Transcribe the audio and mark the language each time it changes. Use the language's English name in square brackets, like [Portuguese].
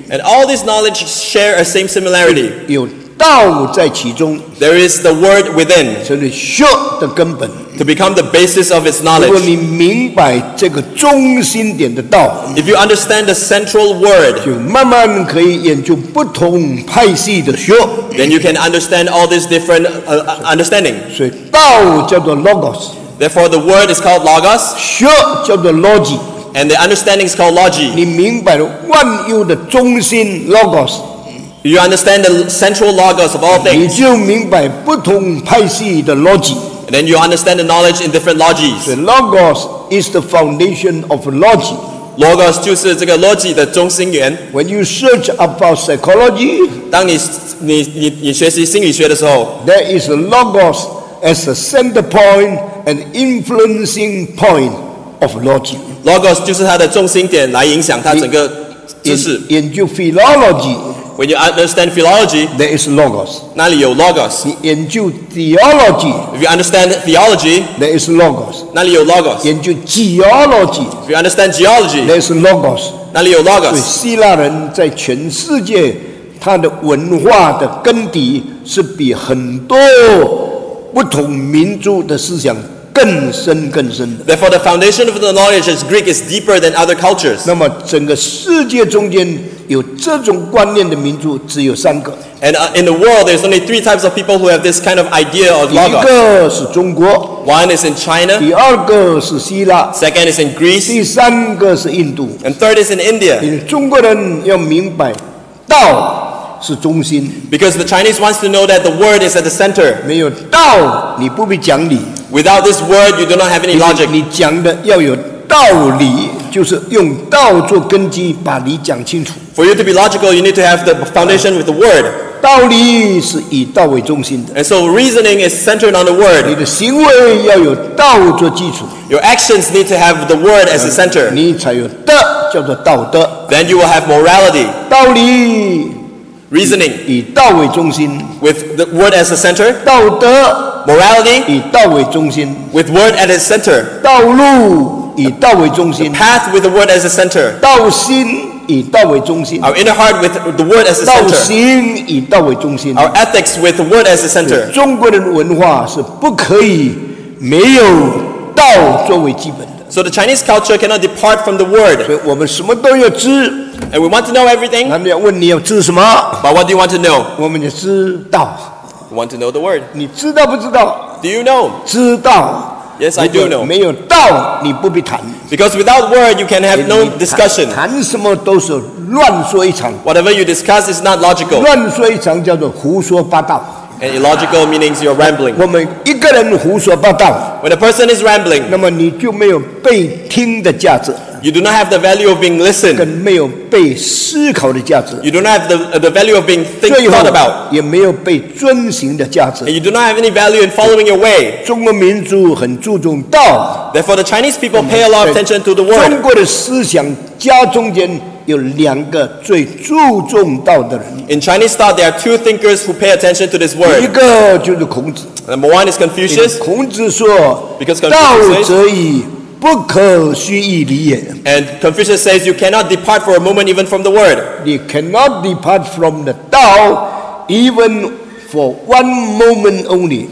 [English] And all this knowledge share a same similarity. [Chinese] 有道在其中。 [English] There is the word within. [Chinese] 这是学的根本。 [English] To become the basis of its knowledge. [Chinese] 如果你明白这个中心点的道。 [English] If you understand the central word. [Chinese] 就慢慢可以研究不同派系的学。 [English] Then you can understand all these different understanding. [Chinese] 所以道叫做 logos. [English] Therefore the word is called logos. [Chinese] 学叫做 logi. [English] And the understanding is called logi. [Chinese] 你明白了万有的中心 logos. [English] You understand the central logos of all things. [Chinese] 你就明白不同派系的逻辑。 [English] And then you understand the knowledge in different logies. The logos is the foundation of logic. [Chinese] Logos 就是这个逻辑的中心源。 [English] When you search about psychology, [Chinese] 当你学习心理学的时候， [English] there is a logos as a center point, an influencing point of logic. [Chinese] Logos 就是它的中心点，来影响它整个知识。研究 philology. [English] When you understand philology, there is logos. [Chinese] 那里有 logos. 你研究 theology, [English] if you understand theology, there is logos. [Chinese] 那里有 logos. 研究 geology, [English] if you understand geology, there is logos. [Chinese] 那里有 logos. 所以希腊人在全世界，他的文化的根底是比很多不同民族的思想更深更深的。 [English] Therefore, the foundation of the knowledge is Greek is deeper than other cultures. [Chinese] 那么整个世界中间有这种观念的民族只有三个。 [English] And in the world, there's only three types of people who have this kind of idea of logos. [Chinese] 一个是中国。 [English] One is in China. [Chinese] 第二个是希腊。 [English] Second is in Greece. [Chinese] 第三个是印度。 [English] And third is in India. [Chinese] 中国人要明白道是中心。 [English] Because the Chinese wants to know that the word is at the center. [Chinese] 没有道，你不必讲理。 [English] Without this word, you do not have any logic. [Chinese] 你讲的要有道理，就是用道做根基，把理讲清楚。 [English] For you to be logical, you need to have the foundation with the word. [Chinese] 道理是以道为中心的。 [English] And so reasoning is centered on the word. [Chinese] 你的行为要有道做基础。 [English] Your actions need to have the word as the center. [Chinese] 你才有德，叫做道德。 [English] Then you will have morality. [Chinese] 道理。 [English] Reasoning. [Chinese] 以道为中心。 [English] With the word as the center. [Chinese] 道德。 [English] Morality. [Chinese] 以道为中心。 [English] With word at its center. [Chinese] 道路。以道为中心。 [English] The path with the word as the center. [Chinese] 道心。以道为中心。 [English] Our inner heart with the word as the center. [Chinese] 道心以道为中心。 [English] Our ethics with the word as the center. [Chinese] 中国人文化是不可以没有道作为基本的。 [English] So the Chinese culture cannot depart from the word. [Chinese] 所以我们什么都要知。 [English] And we want to know everything. [Chinese] 那你要问你要知什么。 [English] But what do you want to know? [Chinese] 我们要知道。 [English] We want to know the word. [Chinese] 你知道不知道？ [English] Do you know? [Chinese] 知道。 [English] Yes, I do know. [Chinese] 没有道，你不必谈。 [English] Because without word, you can have no discussion. [Chinese] 谈什么都是乱说一场。 [English] Whatever you discuss is not logical. [Chinese] 乱说一场叫做胡说八道。 [English] And illogical means you're rambling. [Chinese] 我们一个人胡说八道。 [English] When a person is rambling, [Chinese] 那么你就没有被听的价值。 [English] You do not have the value of being listened. [Chinese] 跟没有被思考的价值。 [English] You do not have the value of being thought about. [Chinese] 也没有被遵循的价值。 [English] And you do not have any value in following your way. [Chinese] 中国民族很注重道。 [English] Therefore, the Chinese people pay a lot of attention to the word. [Chinese] 中国的思想家中间有两个最注重道的人。 [English] In Chinese thought, there are two thinkers who pay attention to this word. [Chinese] 一个就是孔子。 [English] Number one is Confucius. [Chinese] 孔子说， [English] because Confucius says, [Chinese] 道者矣。不可虚意离也。 [English] And Confucius says, you cannot depart for a moment even from the word. You cannot depart from the Tao even for one moment only.